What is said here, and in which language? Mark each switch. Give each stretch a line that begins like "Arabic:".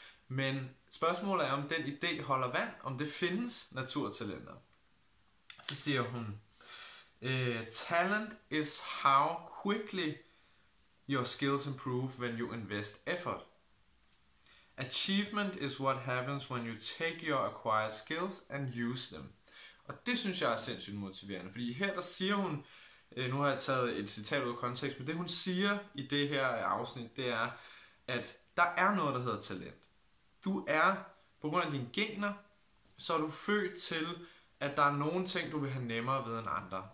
Danish: Men spørgsmålet er, om den idé holder vand. Om det findes naturtalenter. Så siger hun,
English: "Talent is how quickly your skills improve when you invest effort. Achievement is what happens when you take your acquired skills and use them."
Danish: Og det synes jeg er sindssygt motiverende, fordi her der siger hun, nu har jeg taget et citat ud af kontekst, men det hun siger i det her afsnit, det er, at der er noget, der hedder talent. Du er, på grund af dine gener, så er du født til, at der er nogle ting, du vil have nemmere ved end andre.